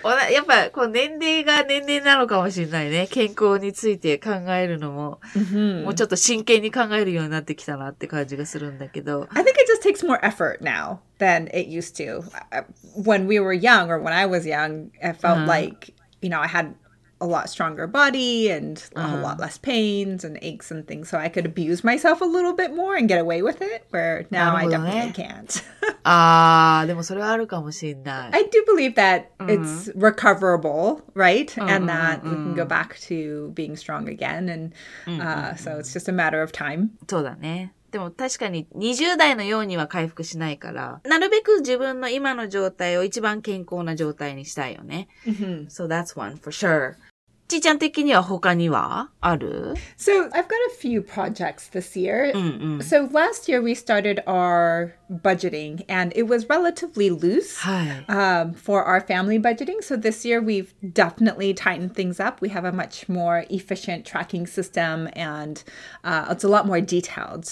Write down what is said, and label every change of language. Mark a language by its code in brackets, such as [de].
[ja] やっぱこう年齢が年齢なのかもしれないね。健康について考えるのも、もうちょっと真剣に考えるようになってきたなって感じがするんだけど。 [en] I think it just takes more effort now than it used to. When we were young, or when I was young, I felt like, you know, I had a lot stronger body and a lot less pains and aches and things, so I could abuse myself a little bit more and get away with it, where now I definitely can't. [ja] Ah, でもそれはあるかもしれない。 [en] I do believe that it's recoverable, right? And that we can go back to being strong again, and so it's just a matter of time. [ja] そうだね。でも確かに20代のようには回復しないから、なるべく自分の今の状態を一番健康な状態にしたいよね。 Mm-hmm. [en] So that's one for sure. [ja] ちーちゃん的には他にはある? [en] So I've got a few projects this year. Mm-hmm. So last year we started our budgeting and it was relatively loose for our family budgeting. So this year we've definitely tightened things up. We have a much more efficient tracking system and it's a lot more detailed.